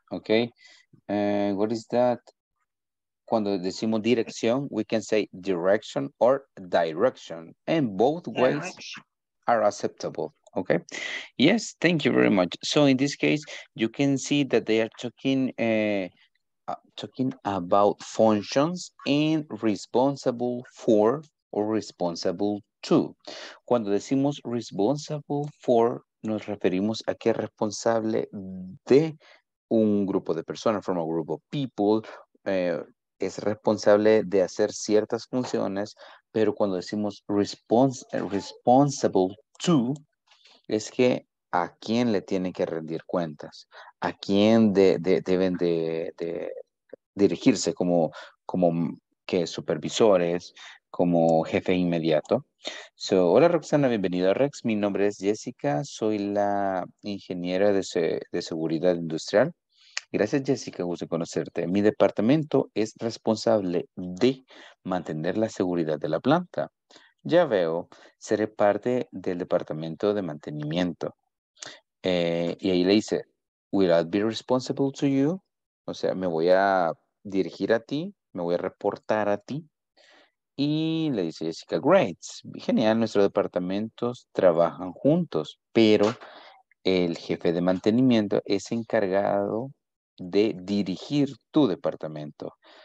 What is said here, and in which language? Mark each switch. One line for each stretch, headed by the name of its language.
English: Okay, what is that?
Spanish: Cuando decimos dirección,
English: we can say direction or direction, and both ways are acceptable. Okay, yes, thank you very much. So in this case, you can see that they are talking about functions and responsible for or responsible to.
Spanish: Cuando decimos responsible for, nos referimos a que es responsable de un grupo de personas,
English: from a group of people,
Spanish: es responsable de hacer ciertas funciones, pero cuando decimos responsible to, es que a quién le tienen que rendir cuentas, a quién deben dirigirse como que supervisores, como jefe inmediato. So, hola Roxana, bienvenido a Rex. Mi nombre es Jessica, soy la ingeniera de seguridad industrial. Gracias, Jessica, gusto conocerte. Mi departamento es responsable de mantener la seguridad de la planta. Ya veo, seré parte del departamento de mantenimiento. Y ahí le dice,
English: will I be responsible to you?
Spanish: O sea, me voy a dirigir a ti, me voy a reportar a ti. Y le dice Jessica, great, genial, nuestros departamentos trabajan juntos, pero el jefe de mantenimiento es encargado de dirigir tu departamento.